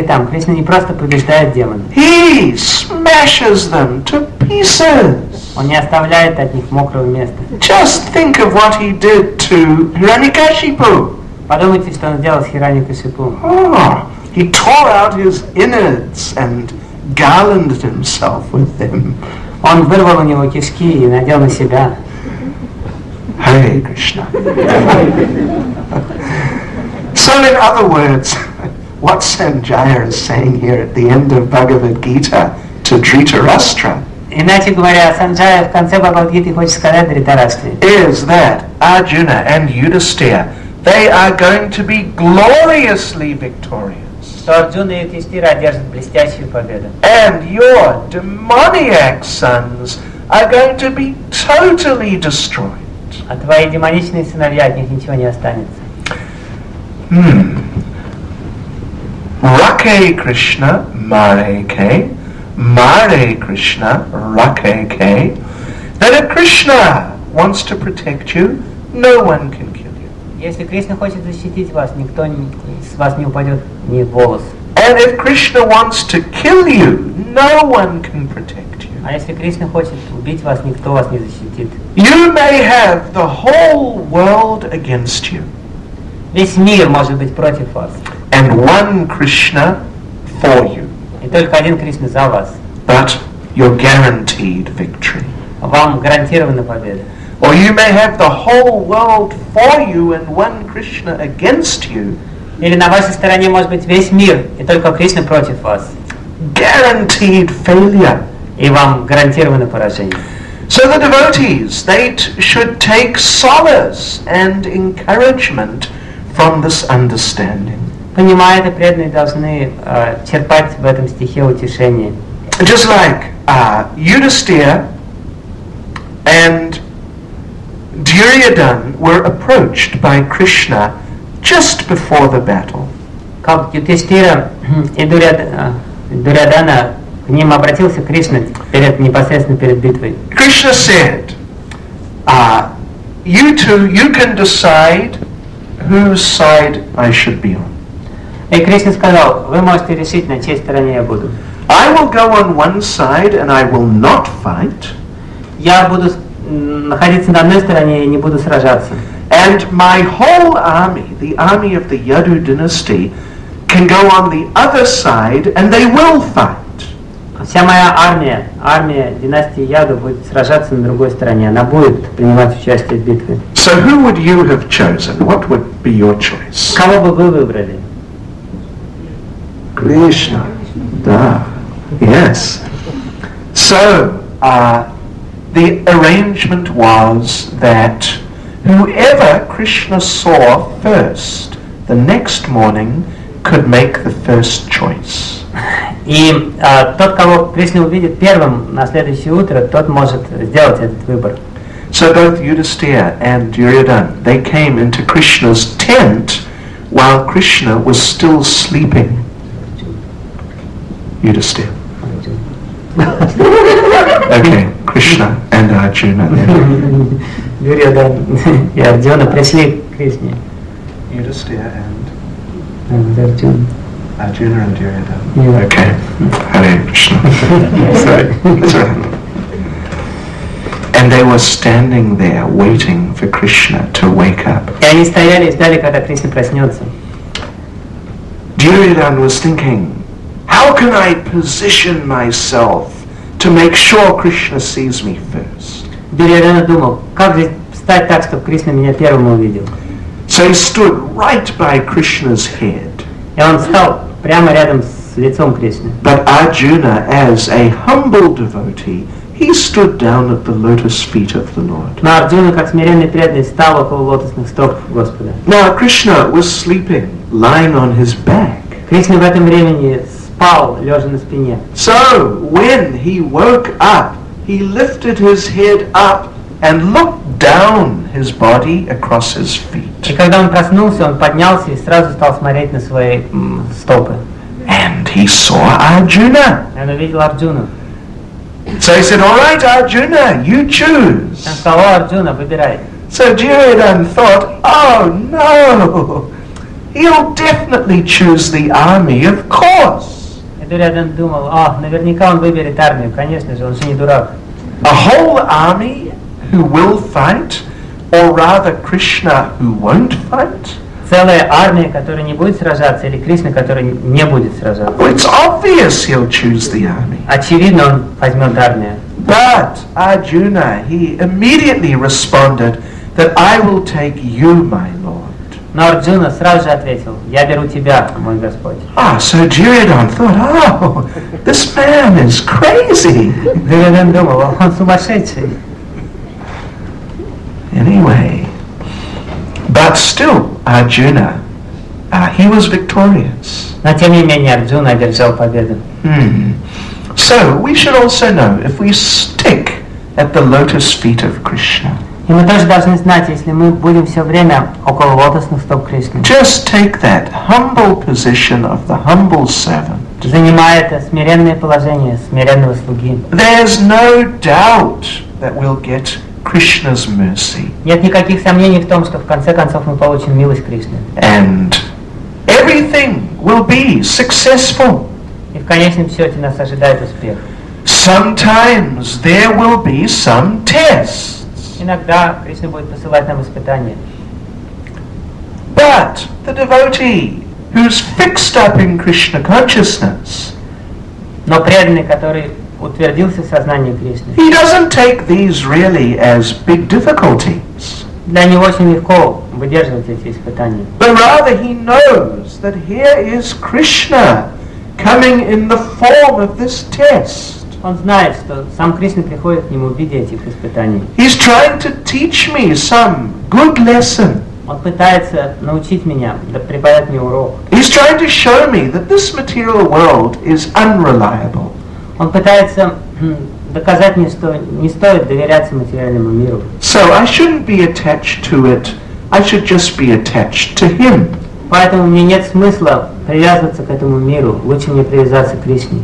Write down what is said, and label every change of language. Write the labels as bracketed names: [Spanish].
[Russian] Кришна не просто побеждает демонов. [English] He smashes them to pieces. [Russian] Он не оставляет от них мокрого места. [English] Just think of what he did to Hiranyakashipu. [Russian] Подумайте, что он сделал с Хираньякашипу. [English] Oh, he tore out his innards and garlanded himself with them. [Russian] Он вырвал у него кишки и надел на себя. [English] Hare Krishna. So in other words, what Sanjaya is saying here at the end of Bhagavad Gita to Dhritarashtra. [Russian] Иначе говоря, Санджая в конце Бхагавад Гиты хочет сказать Дхритараштре. [English] Is that Arjuna and Yudhisthira, they are going to be gloriously victorious. [Russian] Что Арджуна и Юдхиштхира одержат блестящую победу. [English] And your demoniac sons are going to be totally destroyed. [Russian] А твои демоничные сыновья, от них ничего не останется. [Bangla] Rakhe Krishna, Mareke, Mare Krishna, Rakhe. [English] That if Krishna wants to protect you, no one can kill you. [Russian] Если Кришна хочет защитить вас, никто с вас не упадет ни волос. [English] And if Krishna wants to kill you, no one can protect you. [Russian] А если Кришна хочет убить вас, никто вас не защитит. [English] You may have the whole world against you. [Russian] Весь мир может быть против вас. [English] And one Krishna for you. [Russian] И только один Кришна за вас. [English] But you're guaranteed victory. [Russian] Вам гарантирована победа. [English] Or you may have the whole world for you and one Krishna against you. [Russian] Или на вашей стороне может быть весь мир и только Кришна против вас. [English] Guaranteed failure. [Russian] И вам гарантировано поражение. [English] So the devotees, they should take solace and encouragement from this understanding. [Russian] Понимая это, преданные должны черпать в этом стихе утешение. [English] Just like Yudhisthira and Duryodhan were approached by Krishna just before the battle. [Russian] Как Yudhisthira и Duryodhana, к ним обратился Кришна непосредственно перед битвой. [English] Krishna said, you two, you can decide whose side I should be on. [Russian] И Кришна сказал, вы можете решить, на чьей стороне я буду. [English] I will go on one side and I will not fight. [Russian] Я буду находиться на одной стороне и не буду сражаться. [English] And my whole army, the army of the Yadu dynasty, can go on the other side and they will fight. [Russian] Вся моя армия, армия династии Яду будет сражаться на другой стороне. Она будет принимать участие в битве. [English] So who would you have chosen? What would be your choice? [Russian] Кого бы вы выбрали? [English] Krishna. [Russian] Да. [English] Yes. So, the arrangement was that whoever Krishna saw first the next morning could make the first choice. [Russian] И тот, кого Кришна увидит первым на следующее утро, тот может сделать этот выбор. [English] So both Yudhisthira and Duryodhana, they came into Krishna's tent while Krishna was still sleeping. Yudhisthira. Okay, Krishna and Arjuna. [Russian] Duryodhana и Арджуна пришли к Кришне. [English] Yudhisthira and Arjuna. Arjuna and Duryodhana. Yeah. Okay. Hare Krishna. Sorry. That's right. And they were standing there waiting for Krishna to wake up. [Russian] И они стояли и ждали, когда Кришна проснется. [English] Duryodhana was thinking, how can I position myself to make sure Krishna sees me first? [Russian] Duryodhana думал, как же встать так, чтобы Кришна меня первым увидел? [English] So he stood right by Krishna's head. [Russian] И он встал прямо рядом с лицом Кришны. [English] But Arjuna, as a humble devotee, he stood down at the lotus feet of the Lord. [Russian] Но Арджуна, как смиренный преданный, встал около лотосных стоп Господа. [English] Now Krishna was sleeping, lying on his back. [Russian] Кришна в этом времени спал, лежа на спине. [English] So when he woke up, he lifted his head up and looked down his body across his feet. [Russian] И когда он проснулся, он поднялся и сразу стал смотреть на свои стопы. [English] And he saw Arjuna. [Russian] И он увидел Арджуну. [English] So he said, all right, Arjuna, you choose. [Russian] Он сказал, Арджуна, выбирай. [English] So Duryodhana thought, oh no, he'll definitely choose the army, of course. [Russian] И Duryodhana думал, а, наверняка он выберет армию, конечно же, он же не дурак. [English] A whole army who will fight, or rather Krishna who won't fight? [Russian] Целая армия, которая не будет сражаться, или Кришна, которая не будет сражаться? [English] Well, it's obvious he'll choose the army. [Russian] Очевидно, он возьмет армию. [English] But Arjuna, he immediately responded that I will take you, my lord. [Russian] Но Арджуна сразу же ответил, я беру тебя, мой Господь. [English] Ah, so Duryodhana thought, oh, this man is crazy. [Russian] Duryodhana думал, он сумасшедший. [English] Anyway, but still, Arjuna, he was victorious. [Russian] Но тем не менее, Арджуна одержал победу. [English] So, we should also know, if we stick at the lotus feet of Krishna, [Russian] и мы тоже должны знать, если мы будем все время около лотосных стоп Кришны, [English] just take that humble position of the humble servant, [Russian] занимая это смиренное положение смиренного слуги, [English] there's no doubt that we'll get Krishna's mercy. [Russian] Нет никаких сомнений в том, что в конце концов мы получим милость Кришны. [English] And everything will be successful. [Russian] И в конечном счете нас ожидает успех. [English] Sometimes there will be some tests. [Russian] Иногда Кришна будет посылать нам испытания. [English] But the devotee who's fixed up in Krishna consciousness. [Russian] Но преданный, который утвердился в сознании Кришны. [English] He doesn't take these really as big difficulties. [Russian] Для него очень легко выдерживать эти испытания. [English] But rather he knows that here is Krishna coming in the form of this test. [Russian] Он знает, что сам Кришна приходит к нему в виде этих испытаний. [English] He's trying to teach me some good lesson. [Russian] Он пытается научить меня, да преподать мне урок. [English] He's trying to show me that this material world is unreliable. [Russian] Он пытается доказать мне, что не стоит доверяться материальному миру. [English] So I shouldn't be attached to it. I should just be attached to him. [Russian] Поэтому мне нет смысла привязываться к этому миру. Лучше мне привязаться к Кришне.